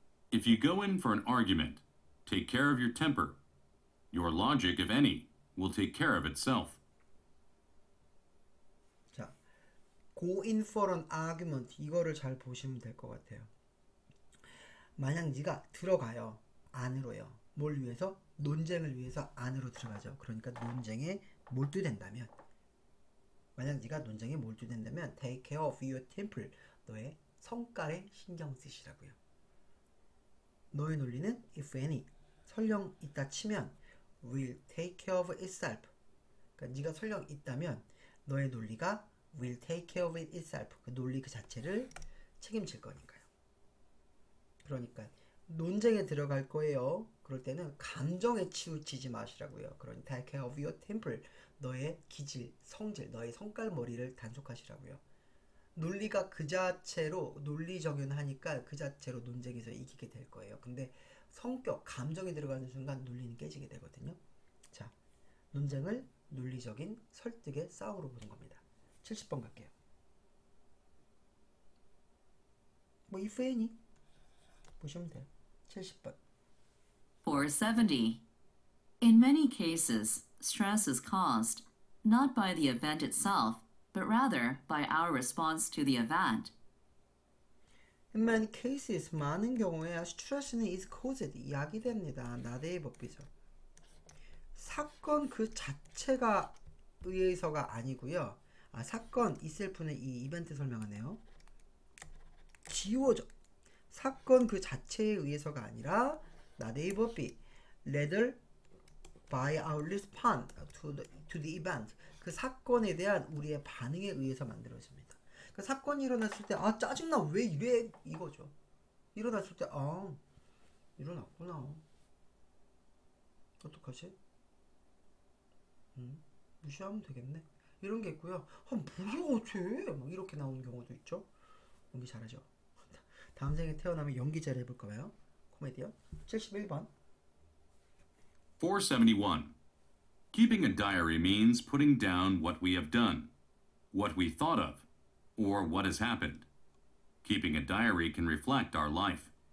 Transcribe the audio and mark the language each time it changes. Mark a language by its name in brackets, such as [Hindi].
[English] If you go in for an argument, take care of your temper. Your logic, if any, will take care of itself. Go in for an argument. [Korean] 이거를 잘 보시면 될것 같아요. 만약 네가 들어가요. 안으로요. 뭘 위해서? 논쟁을 위해서 안으로 들어가죠. 그러니까 논쟁에 몰두된다면. 만약 네가 논쟁에 몰두된다면 [English] take care of your temper. [Korean] 너의 성깔에 신경 쓰시라고요. 너의 논리는 [English] if any. [Korean] 설령 있다 치면 [English] will take care of itself. [Korean] 그러니까 네가 설령 있다면 너의 논리가 [English] will take care of itself. [Korean] 그 논리 그 자체를 책임질 거니까요. 그러니까 논쟁에 들어갈 거예요. 그럴 때는 감정에 치우치지 마시라고요. 그러니 [English] take care of your temper. [Korean] 너의 기질, 성질, 너의 성깔 머리를 단속하시라고요. 논리가 그 자체로 논리 정연하니까 그 자체로 논쟁에서 이기게 될 거예요. 근데 성격, 감정이 들어가는 순간 논리는 깨지게 되거든요. 자, 논쟁을 논리적인 설득의 싸움으로 보는 겁니다. 70번 갈게요. 뭐 [English] if any [Korean] 보시면 돼요. 70번. 470. [English] In many cases, stress is caused not by the event itself, but rather by our response to the event. many cases [Korean] 많은 경우에 [English] situation is caused [Korean] 야기됩니다. 나대의 법이죠. 사건 그 자체가 의해서가 아니고요. 아, 사건 itself는 이 이벤트 설명하네요. 지워져. 사건 그 자체에 의해서가 아니라 나대의 법이 [English] rather by our response to the event. [Korean] 그 사건에 대한 우리의 반응에 의해서 만들어집니다. 그 사건이 일어났을 때, 아, 짜증나, 왜 이래? 이거죠. 일어났을 때, 아, 일어났구나. 어떡하지? 무시하면 되겠네. 이런 게 있고요. 아, 무서워, 쟤! 막 이렇게 나오는 경우도 있죠. 연기 잘하죠. 다음 생에 태어나면 연기 잘 해볼 거예요. 코미디요. 71번. 471. [English] Keeping a diary means putting down what we have done, what we thought of, or what has happened. Keeping a diary can reflect our life.